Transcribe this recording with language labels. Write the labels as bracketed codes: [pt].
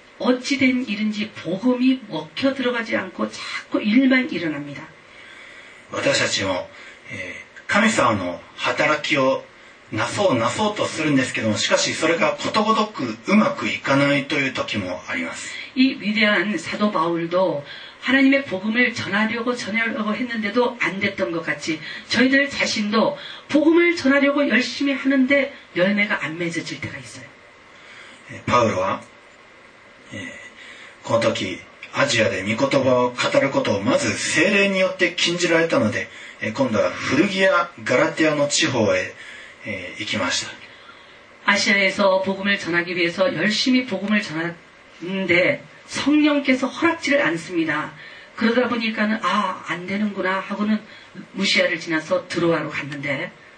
[ko] 어찌된 일인지 복음이 먹혀 들어가지 않고 자꾸 일만 일어납니다. [ja] 우리たちも 神様の働きをなそうとするんですけども、しかしそれがことごとくうまくいかないという時もあります。 [ko] 이 위대한 사도 바울도 하나님의 복음을 전하려고 전하려고 했는데도 안 됐던 것 같이 저희들 자신도 복음을 전하려고 열심히 하는데 열매가 안 맺어질 때가 있어요. [ja] 바울은 この時 アジアで御言葉を語ることをまず聖霊によって禁じられたので、 今度はフルギアガラティアの地方へ行きました。 [ko] 아시아에서 복음을 전하기 위해서 열심히 복음을 전하는데 성령께서 허락지를 않습니다. 그러다 보니까는 아, 안 되는구나 하고는 무시아를 지나서 드로아로 갔는데